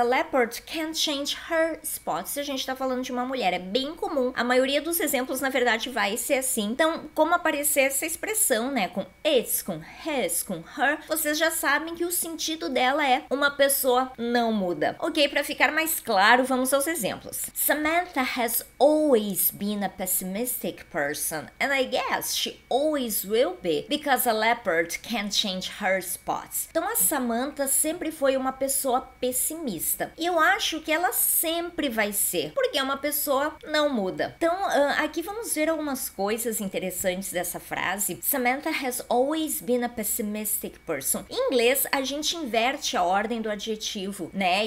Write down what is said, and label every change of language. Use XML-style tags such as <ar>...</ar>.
<en>A leopard can't change her spots,</en> <pt>se a gente tá falando de uma mulher. É bem comum. A maioria dos exemplos, na verdade, vai ser assim. Então, como aparecer essa expressão, né, com its, com his, com her, vocês já sabem que o sentido dela é uma pessoa não muda. Ok, pra ficar mais claro, vamos aos exemplos.</pt> <en>Samantha has always been a pessimistic person, and I guess she always will be, because a leopard can't change her spots.</en> <pt>Então a Samantha sempre foi uma pessoa pessimista. E eu acho que ela sempre vai ser, porque uma pessoa não muda. Então aqui vamos ver algumas coisas interessantes dessa frase.</pt> <en>Samantha has always been a pessimistic person.</en> <pt>Em inglês, a gente inverte a ordem do adjetivo, né?</pt>